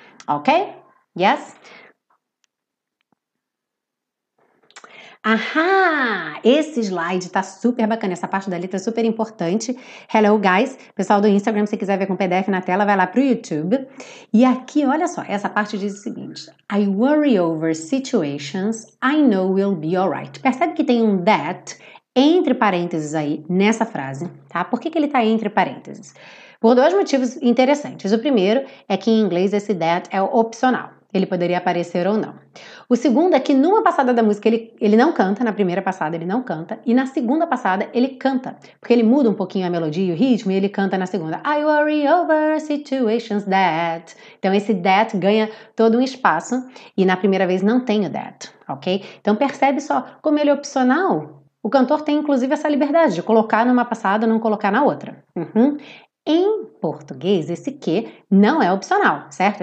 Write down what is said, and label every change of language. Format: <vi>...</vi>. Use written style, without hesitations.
<en>Ok? Yes?</en> <pt>Ahá! Esse slide tá super bacana, essa parte da letra é super importante.</pt> <en>Hello, guys!</en> <pt>Pessoal do Instagram, se quiser ver com PDF na tela, vai lá pro YouTube. E aqui, olha só, essa parte diz o seguinte.</pt> <en>I worry over situations I know will be alright.</en> <pt>Percebe que tem um that entre parênteses aí nessa frase, tá? Por que ele tá entre parênteses? Por dois motivos interessantes. O primeiro é que em inglês esse that é opcional. Ele poderia aparecer ou não. O segundo é que numa passada da música ele não canta, na primeira passada ele não canta, e na segunda passada ele canta, porque ele muda um pouquinho a melodia e o ritmo, e ele canta na segunda.</pt> <en>I worry over situations that.</en> <pt>Então esse that ganha todo um espaço, e na primeira vez não tem o that, ok? Então percebe só como ele é opcional. O cantor tem inclusive essa liberdade de colocar numa passada, não colocar na outra. Uhum. Em português, esse que não é opcional, certo?</pt>